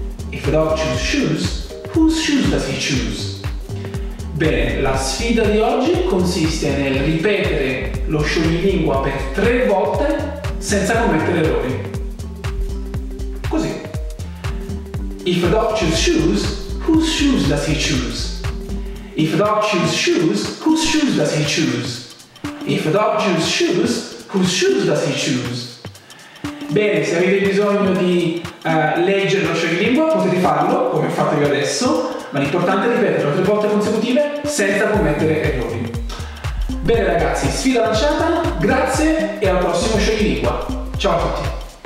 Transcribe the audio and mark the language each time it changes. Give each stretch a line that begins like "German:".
English: If a dog chooses shoes, whose shoes does he choose?
Italian: Bene, la sfida di oggi consiste nel ripetere lo show di lingua per 3 volte senza commettere errori. Così.
English: If a dog chooses shoes, whose shoes does he choose? If a dog chooses shoes, whose shoes does he choose? If a dog chooses shoes, whose shoes does he choose?
Italian: Bene, se avete bisogno di leggere lo show di lingua, potete farlo, come ho fatto io adesso, ma l'importante è ripeterlo 3 volte consecutive senza commettere errori. Bene ragazzi, sfida lanciata, grazie e al prossimo show di lingua. Ciao a tutti!